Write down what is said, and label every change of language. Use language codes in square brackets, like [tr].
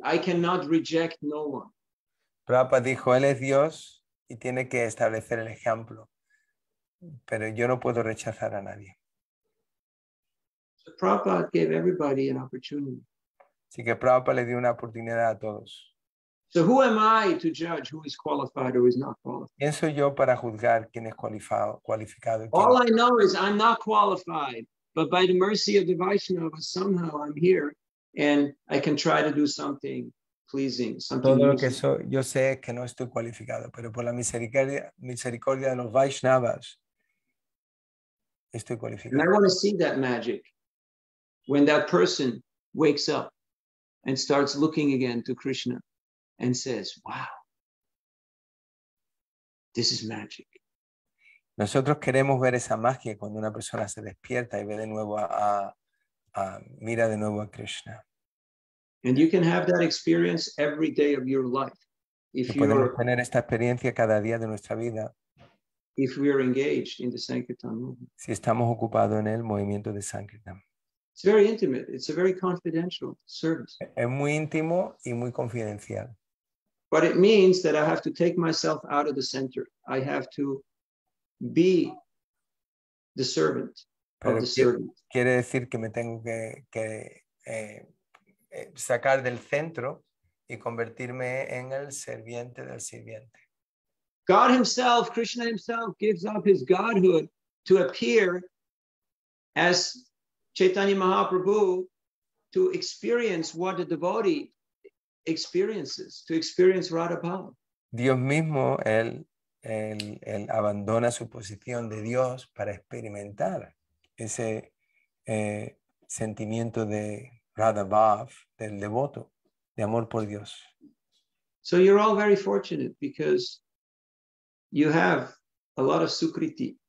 [en] I cannot reject no one." [es] Prabhupada dijo, "Él es Dios y tiene que establecer el ejemplo. Pero yo no puedo rechazar a nadie." [en] So Prabhupada gave everybody an opportunity. [es] Así que Prabhupada le dio una oportunidad a todos. [en] So who am I to judge who is qualified or is not qualified? [es] ¿Quién soy yo para juzgar quién es cualificado? [en] All I know is I'm not qualified, but by the mercy of the Vaishnavas, somehow I'm here and I can try to do something pleasing. Something [es] todo lo que soy, yo sé es que no estoy cualificado, pero por la misericordia de los Vaishnavas, estoy cualificado. [en] And I want to see that magic when that person wakes up and starts looking again to Krishna. And says, "Wow, this is magic." [es] Nosotros queremos ver esa magia cuando una persona se despierta y ve de nuevo mira de nuevo a Krishna. [en] And you can have that experience every day of your life if you [es] podemos tener esta experiencia cada día de nuestra vida. [en] If we are engaged in the Sankirtan movement. [es] Si estamos ocupados en el movimiento de Sankirtan. [en] It's very intimate. It's a very confidential service. [es] Es muy íntimo y muy confidencial. [en] But it means that I have to take myself out of the center. I have to be the servant of the servant. [es] Quiere decir que me tengo que sacar del centro y convertirme en el serviente del sirviente. [en] God himself, Krishna himself, gives up his godhood to appear as Chaitanya Mahaprabhu to experience what the devotee experiences, to experience Radha Bhava. [es] Dios mismo, él abandona su posición de Dios para experimentar ese sentimiento de Radha Bhava, del devoto, de amor por Dios. [en] So you're all very fortunate because you have a lot of sukriti.